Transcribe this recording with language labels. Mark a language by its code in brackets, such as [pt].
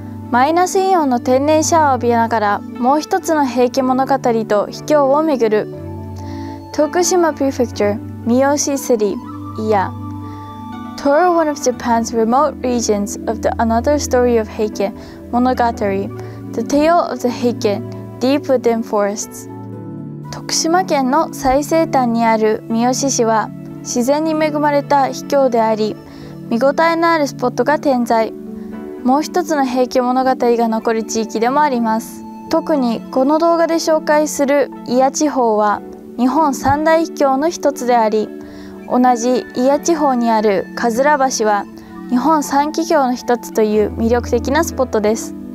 [ja] マイナスイオンの天然シャワーを浴びながら、もう一つの平家物語と秘境を巡る。徳島 Prefecture 三好市祖谷。 [en] Tour one of Japan's remote regions of the another story of Heike Monogatari, the tale of the Heike deep within forests. [ja] 徳島県の最西端にある三好市は、自然に恵まれた秘境であり、見応えのあるスポットが点在。もう一つの平家物語が残る地域でもあります。特にこの動画で紹介する祖谷地方は日本三大秘境の一つであり、同じ祖谷地方にあるかずら橋は日本三奇橋の一つという魅力的なスポットです。